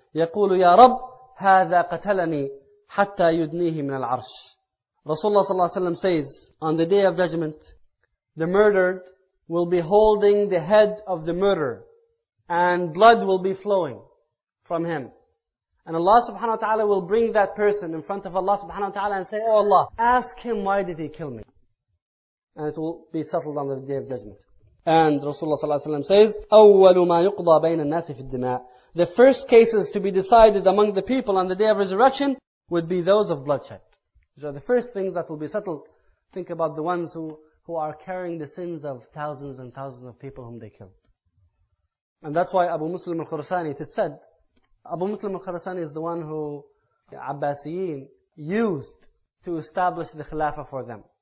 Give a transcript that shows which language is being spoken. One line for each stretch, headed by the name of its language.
Arabic: يقول يا رب هذا قتلني حتى يدنيه من العرش.
English: Rasulullah صلى الله عليه وسلم says, on the Day of Judgment, the murdered will be holding the head of the murderer and blood will be flowing from him. And Allah subhanahu wa ta'ala will bring that person in front of Allah subhanahu wa ta'ala and say, oh Allah, ask him why did he kill me? And it will be settled on the Day of Judgment. And Rasulullah
Arabic: صلى الله عليه وسلم
English: says,
Arabic: أول ما يقضى بين الناس في الدماء.
English: The first cases to be decided among the people on the Day of Resurrection would be those of bloodshed. These are the first things that will be settled. Think about the ones who are carrying the sins of thousands and thousands of people whom they killed. And that's why Abu Muslim al-Khurasani, it is said, Abu Muslim al-Khurasani is the one who the Abbasiyin used to establish the Khilafah for them.